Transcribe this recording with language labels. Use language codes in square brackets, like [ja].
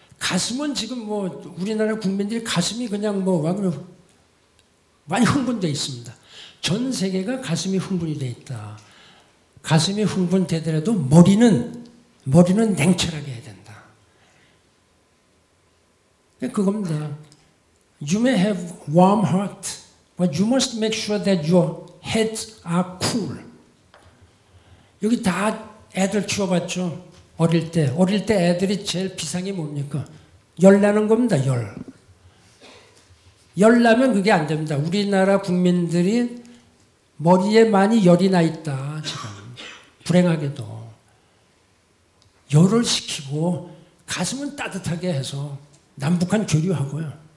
[ko] 가슴은 지금 뭐 우리나라 국민들이 가슴이 그냥 뭐 많이 흥분돼 있습니다. 전 세계가 가슴이 흥분이 돼 있다. 가슴이 흥분되더라도 머리는 냉철하게 해야 된다. 그겁니다. [en] You may have warm heart, but you must make sure that your heads are cool. [ko] 여기 다 애들 키워봤죠. 어릴 때 애들이 제일 비상이 뭡니까? 열 나는 겁니다. 열. 열 나면 그게 안 됩니다. 우리나라 국민들이 머리에 많이 열이 나 있다. 지금 불행하게도. 열을 식히고 가슴은 따뜻하게 해서 남북한 교류하고요.